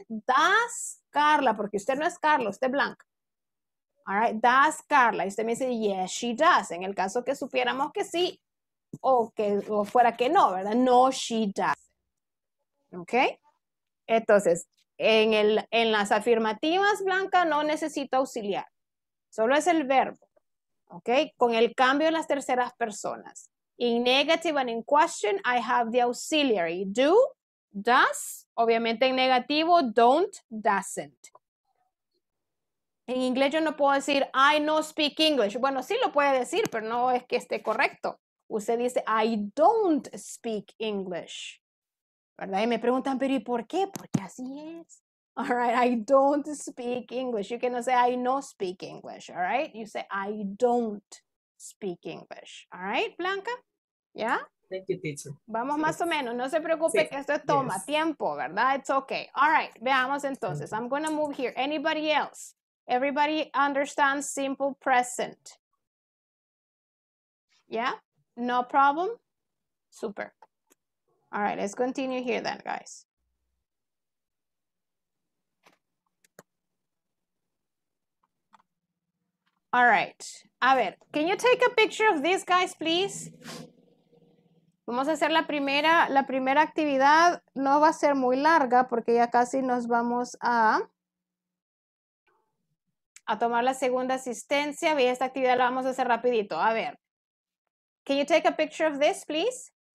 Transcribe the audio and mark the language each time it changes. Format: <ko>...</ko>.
<en>Does Carla,</en> <es>porque usted no es Carla, usted es Blanca.</es> <en>All right, does Carla.</en> <es>Y usted me dice,</es> <en>yes, she does.</en> <es>En el caso que supiéramos que sí, o fuera que no, ¿verdad?</es> <en>No, she does.</en> <es>Ok. Entonces, en, el, en las afirmativas, Blanca, no necesito auxiliar. Solo es el verbo. Ok. Con el cambio en las terceras personas.</es> <en>In negative and in question, I have the auxiliary.</en> <es>Do, does. Obviamente en negativo, don't, doesn't. En inglés yo no puedo decir,</es> <en>I no speak English.</en> <es>Bueno, sí lo puede decir, pero no es que esté correcto. Usted dice,</es> <en>I don't speak English.</en> <es>¿Verdad? Y me preguntan, pero ¿y por qué? Porque así es.</es> <en>All right, I don't speak English. You cannot say, I no speak English. All right, you say, I don't speak English. All right, Blanca,</en> <es>¿ya?</es> <en>Yeah? Thank you, teacher.</en> <es>Vamos más o menos, no se preocupe que esto toma tiempo, ¿verdad?</es> <en>It's okay. All right,</en> <es>veamos entonces.</es> <en>I'm going to move here. Anybody else? Everybody understands simple present? Yeah? No problem? Super. All right, let's continue here then, guys. All right.</en> <es>A ver,</es> <en>can you take a picture of these guys, please?</en> <es>Vamos a hacer la primera actividad, no va a ser muy larga porque ya casi nos vamos a tomar la segunda asistencia. Y esta actividad la vamos a hacer rapidito. A ver,</es> <en>can you take a picture of this, please?</en>